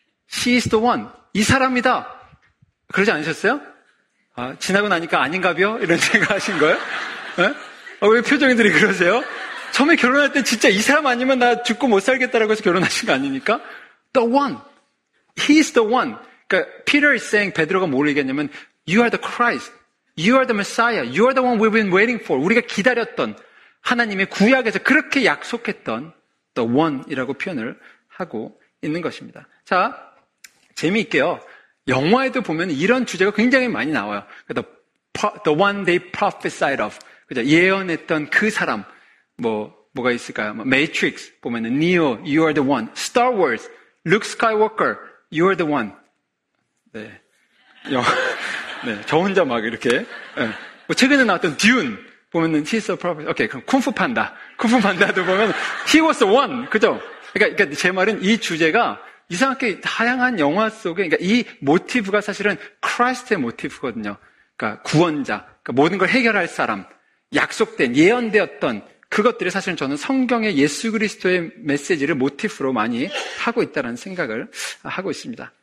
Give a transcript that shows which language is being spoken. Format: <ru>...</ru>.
<en>She is the one.</en> <ko>이 사람이다. 그러지 않으셨어요? 아, 지나고 나니까 아닌가 벼? 이런 생각 하신 거예요? 네? 왜 표정들이 그러세요? 처음에 결혼할 때 진짜 이 사람 아니면 나 죽고 못 살겠다라고 해서 결혼하신 거 아닙니까?</ko> <en>The one. He is the one.</en> <ko>그러니까</ko> <en>Peter is saying,</en> <ko>베드로가 뭘 얘기했냐면</ko> <en>You are the Christ. You are the Messiah. You are the one we've been waiting for.</en> <ko>우리가 기다렸던 하나님의 구약에서 그렇게 약속했던 the one이라고 표현을 하고 있는 것입니다. 자, 재미있게요. 영화에도 보면 이런 주제가 굉장히 많이 나와요.</ko> <en>The one they prophesied of.</en> <ko>그죠? 예언했던 그 사람. 뭐가 있을까요?</ko> <en>뭐, Matrix</en> <ko>보면은</ko> <en>Neo, you are the one. Star Wars, Luke Skywalker, you are the one.</en> <ko>네. 네, 저 혼자 막 이렇게. 네. 뭐 최근에 나왔던 Dune 보면은</ko> <en>He's the prophet.</en> <ko>오케이, 그럼 쿵푸판다. 쿵푸판다도 보면</ko> <en>He was the one.</en> <ko>그죠? 그러니까 제 말은 이 주제가 이상하게 다양한 영화 속에 그러니까 이 모티브가 사실은 크라이스트의 모티브거든요. 그러니까 구원자, 그러니까 모든 걸 해결할 사람, 약속된, 예언되었던 그것들이 사실은 저는 성경의 예수 그리스도의 메시지를 모티브로 많이 하고 있다는 생각을 하고 있습니다.</ko>